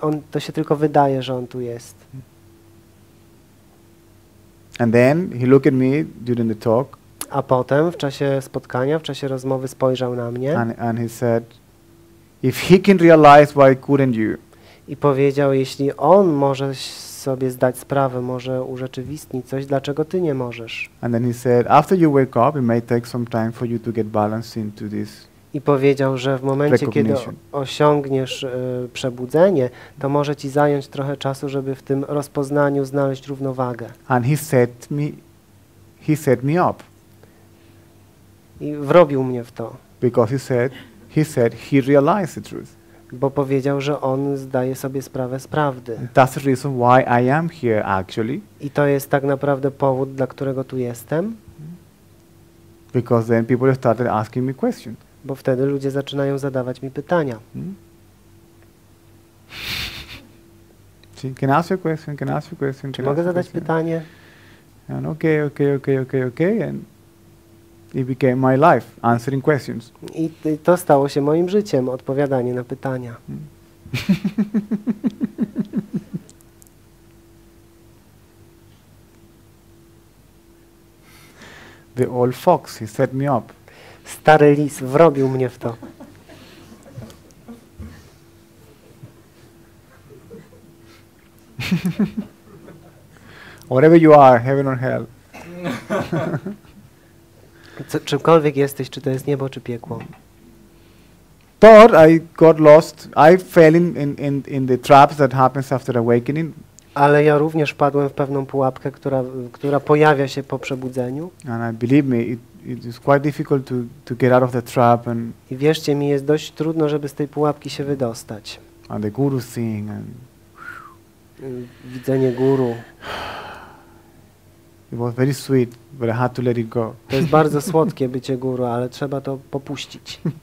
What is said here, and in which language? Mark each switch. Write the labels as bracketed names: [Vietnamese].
[Polish] To się tylko wydaje, że on tu jest. [English] And then he looked at me during the talk. [Polish] A potem w czasie spotkania, w czasie rozmowy spojrzał na mnie. [English] And he said, if he can realize, why couldn't you? [Polish] I powiedział, jeśli on może sobie zdać sprawę, może urzeczywistnić coś, dlaczego ty nie możesz? [English] And then he said, after you wake up, it may take some time for you to get balanced into this. [Polish] I powiedział, że w momencie, kiedy osiągniesz przebudzenie, to może ci zająć trochę czasu, żeby w tym rozpoznaniu znaleźć równowagę. [English] And he set me up. [Polish] I wrobił mnie w to. [English] Because he said he realized the truth. [Polish] Bo powiedział, że on zdaje sobie sprawę z prawdy. [English] That's the reason why I am here, actually. [Polish] I to jest tak naprawdę powód, dla którego tu jestem. [English] Because then people started asking me questions. [Polish] Bo wtedy ludzie zaczynają zadawać mi pytania. [English] Can I ask you a question? Can I ask you a question? [Polish] Czy mogę zadać pytanie? [English] And okay. And it became my life, answering questions. [Polish] I to stało się moim życiem, odpowiadanie na pytania. [English] The old fox, he set me up. [Polish] Stary lis wrobił mnie w to. [English] Whatever you are, heaven or hell. [Polish] Czymkolwiek jesteś, czy to jest niebo, czy piekło. [English] Thought I got lost. I fell in the traps that happens after awakening. [Polish] Ale ja również padłem w pewną pułapkę, która pojawia się po przebudzeniu. [English] And I believe me, it is quite difficult to get out of the trap. And [Polish] i wierzcie mi, jest dość trudno, żeby z tej pułapki się wydostać. [English] And the guru seeing and [Polish] widzenie guru. [English] It was very sweet, but I had to let it go. [Polish] To jest bardzo słodkie bycie guru, ale trzeba to popuścić.